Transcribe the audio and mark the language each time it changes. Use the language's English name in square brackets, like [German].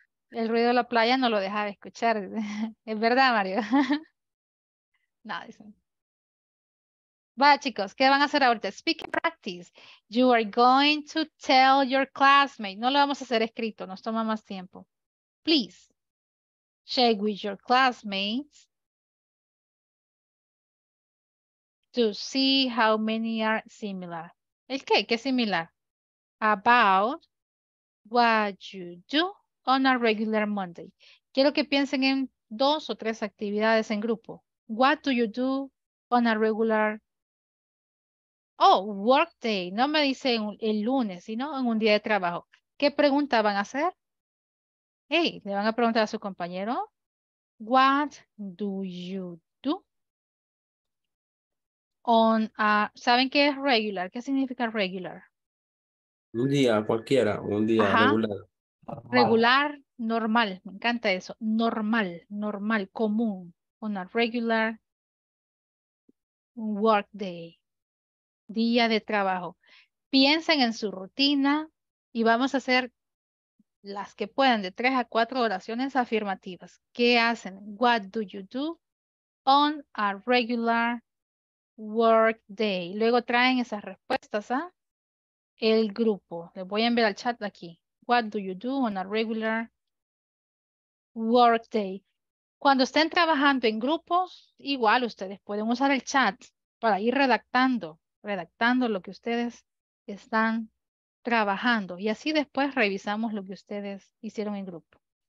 [Spanish] El ruido de la playa no lo dejaba escuchar. Es verdad, Mario. No, dicen. Vaya, chicos, ¿qué van a hacer ahorita? [English] Speak and practice. You are going to tell your classmate. [Spanish] No lo vamos a hacer escrito, nos toma más tiempo. [English] Please, check with your classmates to see how many are similar. [Spanish] ¿El qué? ¿Qué similar? [English] About what you do on a regular Monday. [Spanish] Quiero que piensen en dos o tres actividades en grupo. [English] What do you do on a regular, work day? [Spanish] No me dice el lunes, sino en un día de trabajo. ¿Qué pregunta van a hacer? Hey, le van a preguntar a su compañero. [English] What do you do on a, [Spanish] ¿saben qué es regular? ¿Qué significa regular? Un día cualquiera, un día. Ajá. Regular. Regular, normal, me encanta eso. Normal, normal, común. [English] On a regular work day, [Spanish] día de trabajo. Piensen en su rutina y vamos a hacer las que puedan, de 3 a 4 oraciones afirmativas. ¿Qué hacen? [English] What do you do on a regular work day? [Spanish] Luego traen esas respuestas a el grupo. Les voy a enviar al chat aquí. [English] What do you do on a regular work day? [Spanish] Cuando estén trabajando en grupos, igual ustedes pueden usar el chat para ir redactando lo que ustedes están trabajando. Y así después revisamos lo que ustedes hicieron en grupo.